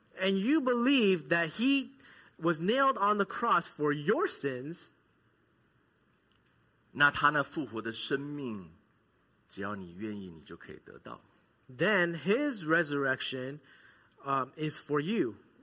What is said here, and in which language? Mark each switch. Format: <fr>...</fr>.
<en>and you believe that he was nailed on the cross for your sins,</en> <zh>那他那复活的生命, 只要你愿意,</zh> <en>then his resurrection is for you.</en>